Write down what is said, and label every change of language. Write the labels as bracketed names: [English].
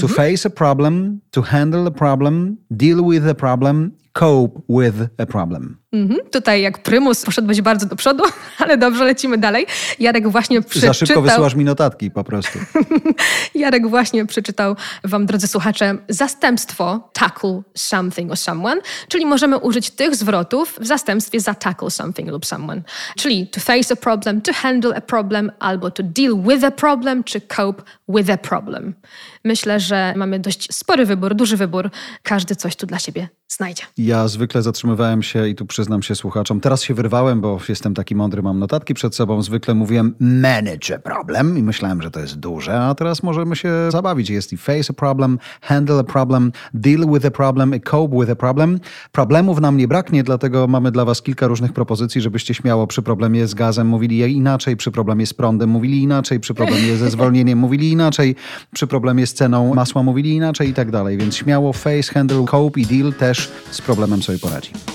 [English] To face a problem, to handle a problem, deal with a problem, cope with a problem. Mm-hmm. [Polish] Tutaj jak prymus poszedłeś bardzo do przodu, ale dobrze, lecimy dalej. Jarek właśnie przeczytał... Za szybko wysyłasz mi notatki po prostu. Jarek właśnie przeczytał wam, drodzy słuchacze, zastępstwo tackle something or someone, czyli możemy użyć tych zwrotów w zastępstwie za tackle something lub someone. Czyli to face a problem, to handle a problem, albo to deal with a problem, czy cope with a problem. Myślę, że mamy dość spory wybór, duży wybór. Każdy coś tu dla siebie znajdzie. Ja zwykle zatrzymywałem się i tu przyznam się słuchaczom. Teraz się wyrwałem, bo jestem taki mądry, mam notatki przed sobą. Zwykle mówiłem manage a problem i myślałem, że to jest duże, a teraz możemy się zabawić. Jest i face a problem, handle a problem, deal with a problem i cope with a problem. Problemów nam nie braknie, dlatego mamy dla was kilka różnych propozycji, żebyście śmiało przy problemie z gazem mówili inaczej, przy problemie z prądem mówili inaczej, przy problemie ze zwolnieniem mówili inaczej, przy problemie z ceną masła mówili inaczej i tak dalej. Więc śmiało face, handle, cope i deal też z problemem sobie poradzi.